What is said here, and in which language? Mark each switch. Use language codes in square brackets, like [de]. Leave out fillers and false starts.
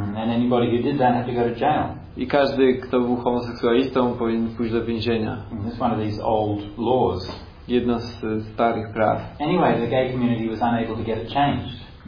[en] And anybody who did that had to go to jail. [pl] I każdy, kto był homoseksualistą, powinien pójść do więzienia. [en] It's one of these old laws. [pl] Jedno z starych praw. [en] Anyway, the gay community was unable to get it changed.